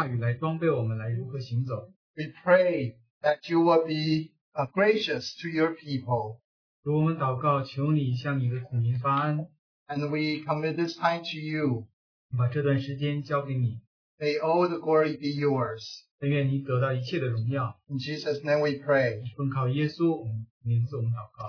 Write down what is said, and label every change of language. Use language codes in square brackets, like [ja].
[zh] 给我们在这末世何等的需要你的话语来装备我们来如何行走。 [en] We pray that you will be gracious to your people. [zh] 给我们祷告,求你向你的子民发恩。 [en] And we commit this time to you. [zh] 把这段时间交给你。 [en] May all the glory be yours. [zh] 但愿你得到一切的荣耀。 [en] In Jesus' name we pray. [zh] 奉靠耶稣名字我们祷告。